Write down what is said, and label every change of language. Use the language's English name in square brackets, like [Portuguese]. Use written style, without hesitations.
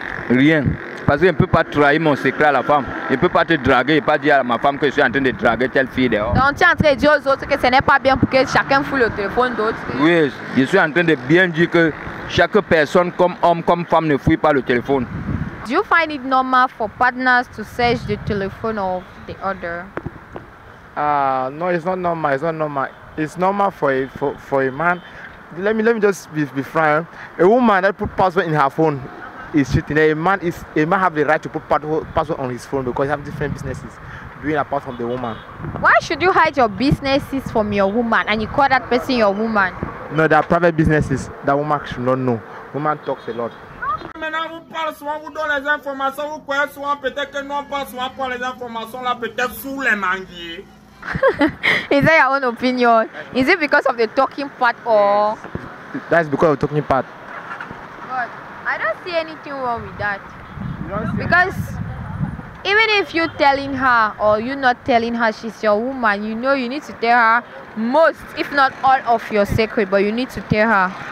[French] Rien. Parce qu'il ne peut pas trahir mon secret à la femme. Il ne peut pas te draguer et pas dire à ma femme que je suis en train de draguer telle fille dehors. Donc tu es en train de dire aux autres que ce n'est pas bien pour que chacun fout le téléphone d'autres. Oui, je suis en train de bien dire que chaque personne, comme homme, comme femme, ne fouille pas le téléphone. [English] Do you find it normal for partners to search the telephone of the other? No, it's not normal. It's not normal. It's normal for a man. Let me just be frank. A woman that put password in her phone is cheating. A man have the right to put password on his phone because he have different businesses doing apart from the woman. Why should you hide your businesses from your woman and you call that person your woman? No, they are private businesses. That woman should not know. Woman talks a lot. [French] Maintenant vous parlez souvent, vous donnez les informations, vous croyez souvent, peut-être que nous on parle souvent pour les informations là, peut-être sous les mangiers. [English] Is that your own opinion? Is it because of the talking part or? Yes. That's because of the talking part. But I don't see anything wrong with that. Because even if you telling her or you not telling her she's your woman, you know you need to tell her most, if not all of your secret, but you need to tell her.